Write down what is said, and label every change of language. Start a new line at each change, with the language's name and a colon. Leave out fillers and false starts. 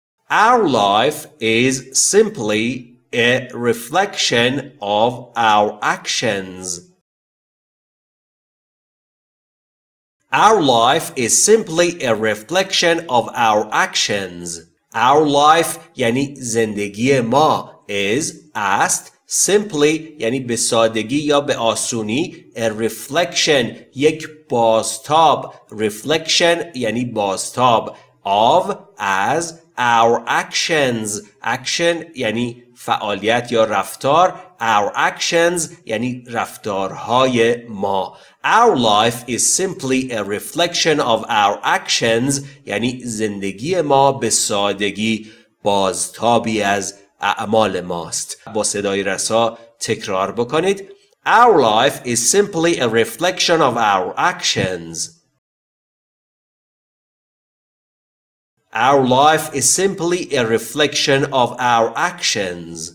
English: Our life is simply a reflection of our actions. Our life is simply a reflection of our actions. Our life
Persian: یعنی زندگی ما
English: is asked simply
Persian: یعنی به سادگی یا به آسونی
English: a reflection
Persian: یک بازتاب.
English: Reflection
Persian: یعنی بازتاب.
English: Of as our actions.
Persian: Action یعنی فعالیت یا رفتار.
English: Our actions
Persian: یعنی رفتارهای ما.
English: Our life is simply a reflection of our actions
Persian: یعنی زندگی ما به سادگی بازتابی از اعمال ماست. با صدای رسا تکرار بکنید.
English: Our life is simply a reflection of our actions. Our life is simply a reflection of our actions.